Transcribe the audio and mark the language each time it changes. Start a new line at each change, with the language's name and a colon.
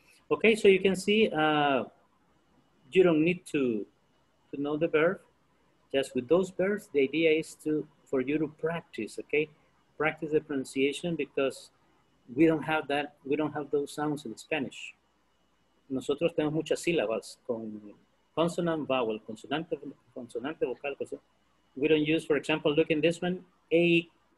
English: Okay, so you can see you don't need to know the verb. Just with those verbs, the idea is to for you to practice, okay? Practice the pronunciation because we don't have that, we don't have those sounds in Spanish.
Spanish: Nosotros tenemos muchas sílabas con
English: consonant, vowel,
Spanish: consonante, vocal, consonante.
English: We don't use, for example, look in this one, eight.